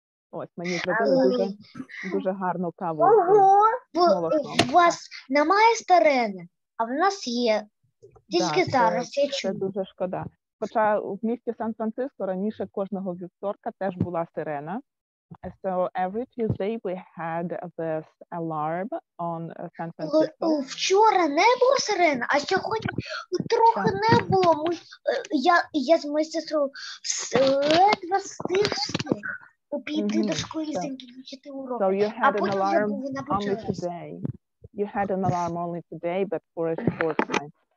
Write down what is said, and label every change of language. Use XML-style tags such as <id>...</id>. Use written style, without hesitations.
<uk>Ось, мені зробили дуже, дуже гарну каву. Ого! У вас немає старини, а в нас є. Тільки зараз я чую. Це дуже шкода. Хоча в місті Сан-Франциско раніше кожного вівторка теж була сирена.</uk> <en>So every Tuesday we had this alarm on San Francisco.</en> <uk>Вчора не було сирени, а сьогодні трохи не було. Я з моєю сестрою ледве встиг піти до школи закінчити урок.</uk> <en>So you had an alarm only today. You had an alarm only today, but for a short time.</en>